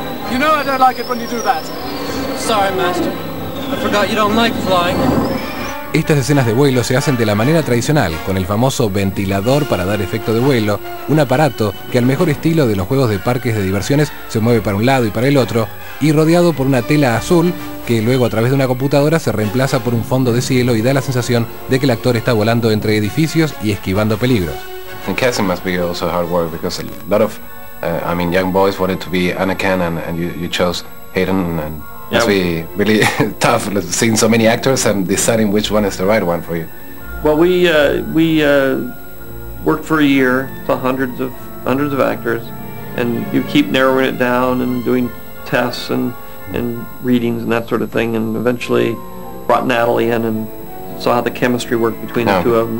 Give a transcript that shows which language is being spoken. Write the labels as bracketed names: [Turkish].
[English] You know I don't like it when you do that. Sorry, Master. I forgot you don't like flying. [Spanish] Estas escenas de vuelo se hacen de la manera tradicional, con el famoso ventilador para dar efecto de vuelo, un aparato que al mejor estilo de los juegos de parques de diversiones se mueve para un lado y para el otro, y rodeado por una tela azul que luego a través de una computadora se reemplaza por un fondo de cielo y da la sensación de que el actor está volando entre edificios y esquivando peligros. [English] And casting must be also hard work because a lot of, I mean, young boys wanted to be Anakin and you chose Hayden and... Yeah. It must be really tough seeing so many actors and deciding which one is the right one for you. Well, we worked for a year, saw hundreds of actors, and you keep narrowing it down and doing tests and readings and that sort of thing, and eventually brought Natalie in and saw how the chemistry worked between the two of them.